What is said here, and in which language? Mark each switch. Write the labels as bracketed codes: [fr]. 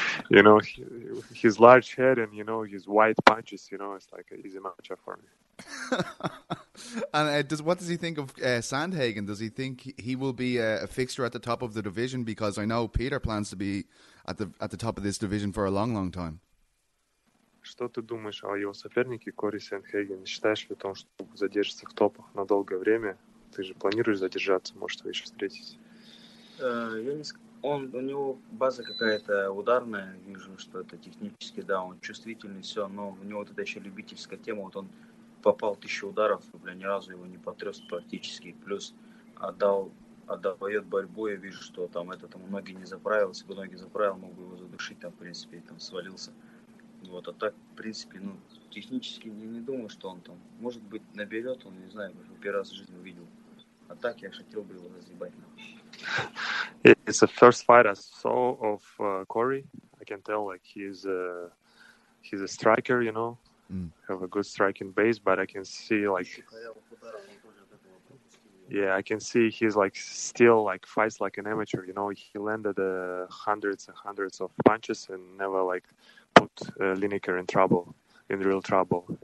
[en] You know, his large head and, you know, his wide punches, you know, it's like an easy matchup for me. And what does he think of Sandhagen? Does he think he will be a fixture at the top of the division? Because I know Peter plans to be at the top of this division for a long, long time. [ru] Что ты думаешь о его сопернике Кори Сандхаген? Считаешь ли он, что задержится в топах на долгое время? Ты же планируешь задержаться, может, вы еще встретитесь? У него база какая-то ударная, вижу, что это технически, да, он чувствительный, все, но у него вот это еще любительская тема, вот он попал 1000 ударов, бля, ни разу его не потряс практически, плюс отдает борьбу, я вижу, что там этот ему ноги не заправил, если бы ноги заправил, мог бы его задушить, там, в принципе, там свалился. Вот, а так, в принципе, ну, технически не думаю, что он там, может быть, наберет, он, не знаю, первый раз в жизни увидел. А так я хотел бы его разъебать. [en] It's the first fight I saw of Corey. I can tell, like, he's a striker, you know, have a good striking base, but I can see, like, yeah, I can see he's, like, still, like, fights like an amateur, you know, he landed hundreds and hundreds of punches and never, like, put Lineker in real trouble.